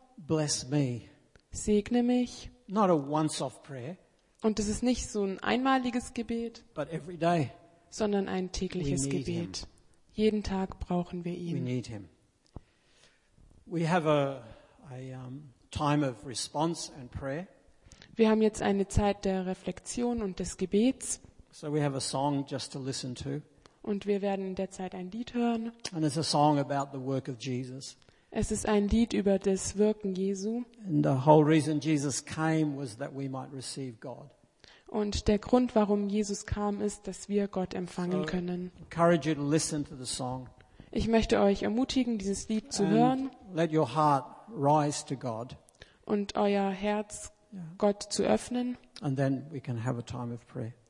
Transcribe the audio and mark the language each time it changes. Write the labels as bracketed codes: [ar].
[en] bless me. [de] Segne mich. [en] Not a once-off prayer. [de] Und es ist nicht so ein einmaliges Gebet, [en] but every day, [de] sondern ein tägliches Gebet. [en] Him. [de] Jeden Tag brauchen wir ihn. [en] We need him. We have a time of response and prayer. [de] Wir haben jetzt eine Zeit der Reflexion und des Gebets. [en] So we have a song just to listen to. [de] Und wir werden in der Zeit ein Lied hören. [en] And it's a song about the work of Jesus. [de] Es ist ein Lied über das Wirken Jesu. [en] And the whole reason Jesus came was that we might receive God. [de] Und der Grund, warum Jesus kam, ist, dass wir Gott empfangen können. [en] I encourage you to listen to the song. [de] Ich möchte euch ermutigen, dieses Lied zu hören. [en] Let your heart rise to God. [de] Und euer Herz Gott zu öffnen. [en] And then we can have a time of prayer.